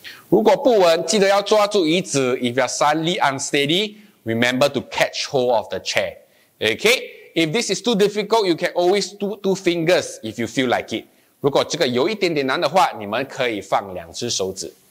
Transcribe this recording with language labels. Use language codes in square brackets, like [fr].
[zh] 如果不稳，记得要抓住椅子。 [en] If you're suddenly unsteady, remember to catch hold of the chair. Okay? If this is too difficult, you can always do two fingers if you feel like it. [zh] 如果这个有一点点难的话，你们可以放两只手指。